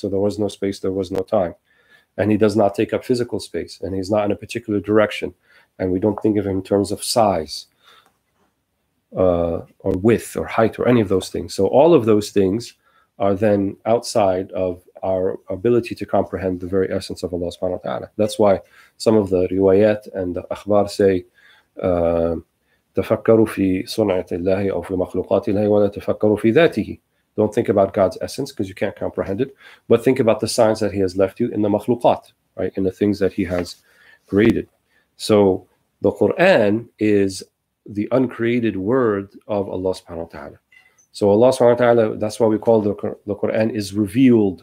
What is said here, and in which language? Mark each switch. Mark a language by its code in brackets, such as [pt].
[en] So there was no space, there was no time. And he does not take up physical space, and he's not in a particular direction. And we don't think of him in terms of size or width or height or any of those things. So all of those things are then outside of our ability to comprehend the very essence of Allah subhanahu wa ta'ala. That's why some of the riwayat and the akhbar say, [ar] تَفَكَّرُوا فِي صُنْعَةِ اللَّهِ أَوْ فِي مَخْلُقَاتِ اللَّهِ وَلَا تَفَكَّرُوا فِي ذَاتِهِ. [en] Don't think about God's essence, because you can't comprehend it. But think about the signs that he has left you in the makhluqat, right? In the things that he has created. So the Quran is the uncreated word of Allah subhanahu wa ta'ala. So Allah subhanahu wa ta'ala, that's why we call the Quran is revealed.